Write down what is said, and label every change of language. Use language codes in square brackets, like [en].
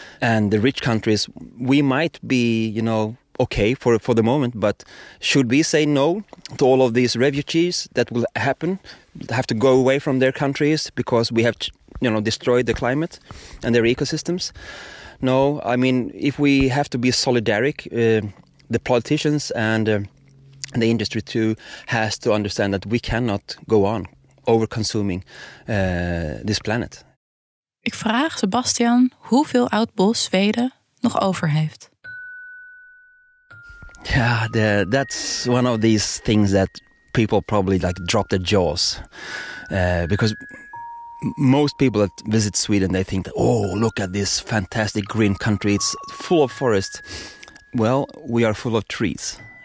[en] And the rich countries, we might be, you know, okay for the moment, but should we say no to all of these refugees that will happen, have to go away from their countries because we have, you know, destroyed the climate and their ecosystems? No, I mean, if we have to be solidaric, the politicians and the industry too has to understand that we cannot go on over-consuming this planet. [nl] Ik vraag Sebastian hoeveel oud bos Zweden nog over heeft. [en] Yeah, that's one of these things that people probably like drop their jaws. Because most people that visit Sweden, they think, oh, look at this fantastic green country. It's full of forest. Well, we are full of trees.